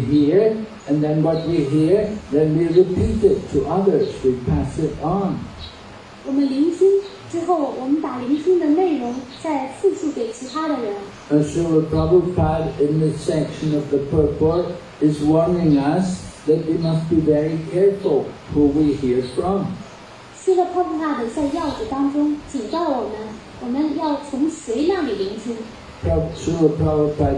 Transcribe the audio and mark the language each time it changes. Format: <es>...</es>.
<en>hear, and then what we hear, then we repeat it to others, we pass it on.</en> <zh>我们聆听之后，我们把聆听的内容再复述给其他的人。And</zh> <en>Srila Prabhupada in this section of the purport is warning us that we must be very careful who we hear from.</en> <zh>这个Prabhupada在要旨当中警告我们，我们要从谁那里聆听？Prabhupada</zh>